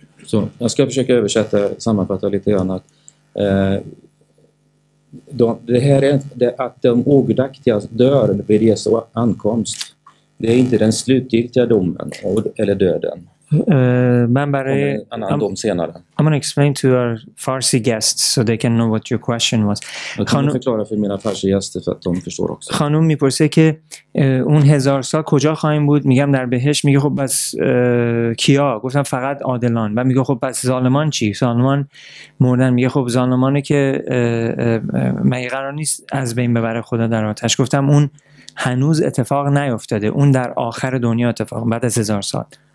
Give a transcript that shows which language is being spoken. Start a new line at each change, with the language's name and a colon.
Swedish: Så jag ska försöka översätta, sammanfatta lite grann att det här är det, att de ogudaktiga dör vid Jesu ankomst. Det är inte den slutgiltiga domen eller döden. Men bara en annan dom senare.
English: I'm going to explain to our Farsi guests so they can know what your question was.
Swedish: Jag kan förklara för mina farsi gäster för att de förstår också.
Persian: Khanum میپرسه که اون هزار سال کجا خواهیم بود؟ میگم در بهشت. میگه خب بس کیا؟ گفتم فقط عادلان. و میگه خب بس ظالمان چی؟ ظالمان مردن. میگه خب ظالمانی که مگه قرار نیست از بین ببره خدا در آتش. گفتم اون هنوز اتفاق نیفتاده. اون در آخر دنیا اتفاق بعد از هزار سال.